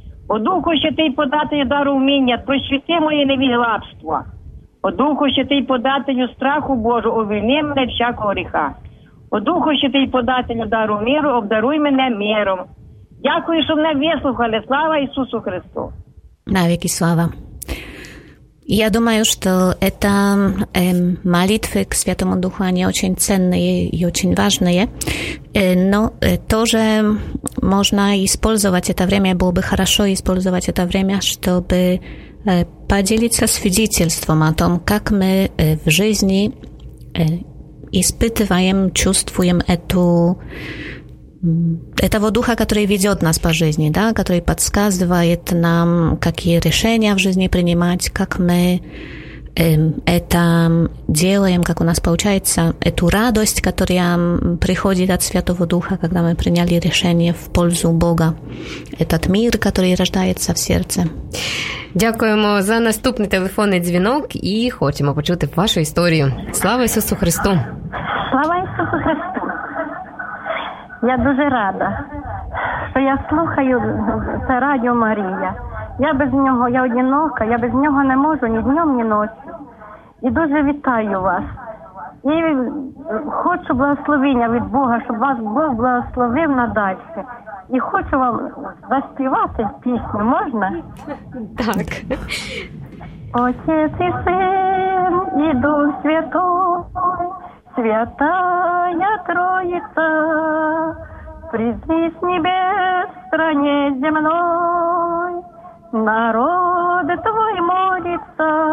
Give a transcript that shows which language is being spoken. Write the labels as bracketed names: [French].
[Ukrainian] О Духу Святий, подателю дару вміння, просвіти моє невігластво. О Духу Святий, подателю страху Божу, увільни мене всякого гріха. О Духу Святий, подателю дару миру, обдаруй мене миром. Дякую, що мене вислухали. Слава Ісусу Христу! Навіки слава! [Russian] Я думаю, что это молитвы к Святому Духу, они очень ценные и очень важные. Но то, что можно использовать это время, было бы хорошо использовать это время, чтобы поделиться свидетельством о том, как мы в жизни испытываем, чувствуем этого Духа, который ведет нас по жизни, да, который подсказывает нам, какие решения в жизни принимать, как мы это делаем, как у нас получается, эту радость, которая приходит от Святого Духа, когда мы приняли решение в пользу Бога, этот мир, который рождается в сердце. [Ukrainian] Дякуємо за наступний телефонний дзвінок і хочемо почути вашу історію. Слава Ісусу Христу! Слава Ісусу Христу! Я дуже рада, що я слухаю це радіо Марія. Я без нього, я одинока, я без нього не можу ні днем, ні ночі. І дуже вітаю вас. І хочу благословення від Бога, щоб вас Бог благословив надальше. І хочу вам заспівати пісню, можна? Так. Отець і Син, і Дух Святий, Святая Троица, прийди з небес [Russian] в стране земной, [Ukrainian] народ твой молится,